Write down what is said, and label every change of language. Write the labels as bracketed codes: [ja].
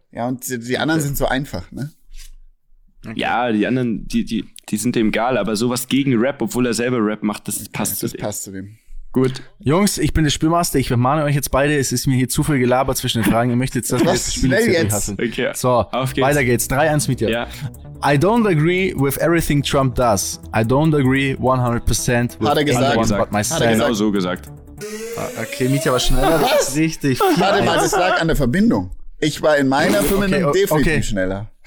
[de] Ja, und die anderen sind so einfach, ne? Okay. Ja, die anderen, die sind dem egal, aber sowas gegen Rap, obwohl er selber Rap macht, das passt zu dem. Das passt zu dem. Gut. Jungs, ich bin der Spielmaster. Ich mahne euch jetzt beide. Es ist mir hier zu viel gelabert zwischen den Fragen. Ihr möchtet jetzt, dass wir das Spiel jetzt hassen. Okay. So, auf geht's. Weiter geht's. 3-1 mit dir. Ja. [en] I don't agree with everything Trump does. I don't agree 100% with anyone but myself. [de] Hat er genau so gesagt. Okay, Mietja war schneller. Was? Richtig. Warte mal, das lag an der Verbindung. Ich war in meiner Verbindung definitiv schneller.